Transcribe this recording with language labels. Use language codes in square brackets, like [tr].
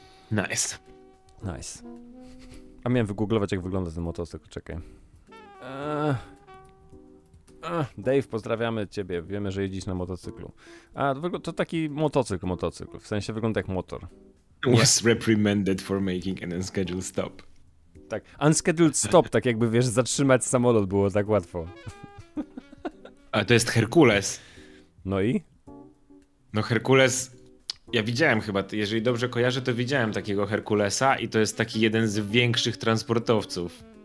[en] Nice. Nice. [pl] A miałem wygooglować, jak wygląda ten motocykl, czekaj. Dave, pozdrawiamy ciebie, wiemy, że jeździsz na motocyklu. A to taki motocykl, w sensie wygląda jak motor. [en] Was reprimanded for making an unscheduled stop. [pl] Tak, unscheduled stop, tak jakby wiesz, zatrzymać samolot było tak łatwo. A to jest Herkules. No i? No Herkules, ja widziałem chyba, jeżeli dobrze kojarzę, to widziałem takiego Herkulesa i to jest taki jeden z większych transportowców.